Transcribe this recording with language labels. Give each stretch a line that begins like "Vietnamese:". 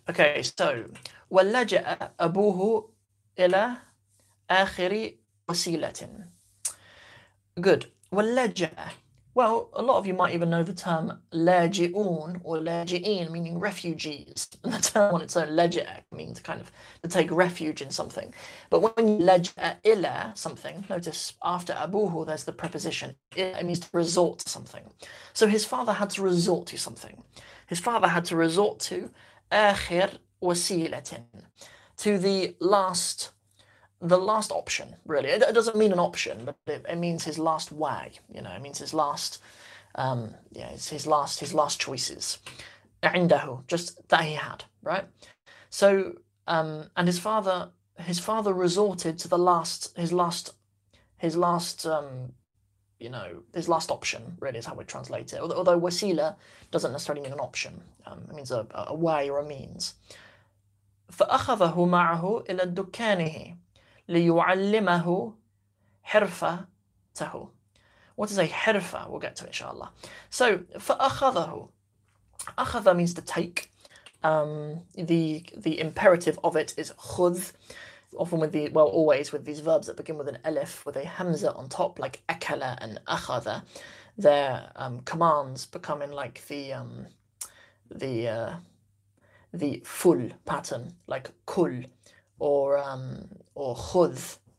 English: Okay, so
Arabic: وَلَجَأَ أَبُوهُ إِلَى آخِرِ وَسِيلَةٍ. Good. وَلَجَأَ.
English: Well, a lot of you might even know the term
Arabic: لَاجِئُونَ or لَاجِئِينَ,
English: meaning refugees. And the term on its own,
Arabic: لَجَأَ,
English: means kind of to take refuge in something. But when you
Arabic: لَجَأَ إِلَى
English: something, notice after
Arabic: أَبُوهُ
English: there's the preposition. It means to resort to something. So his father had to resort to something. His father had to resort to
Arabic: آخِر وسيلة,
English: to the last option, really. It doesn't mean an option, but it means his last way, you know, it means his last yeah, it's his last choices.
Arabic: عنده,
English: just that he had, right? So and his father resorted to the last his last you know, his last option, really, is how we translate it. Although wasila doesn't necessarily mean an option. It means a way or a means.
Arabic: فأخذه معه إلى دكانه ليعلمه حرفته.
English: What is a
Arabic: حرفة?
English: We'll get to it, inshallah. So,
Arabic: فأخذه. أخذ
English: means to take. The imperative of it is
Arabic: خذ.
English: Often with the, well, always with these verbs that begin with an elif, with a hamza on top, like akala and akhadha, their commands become in like the full pattern, like kul or khudh.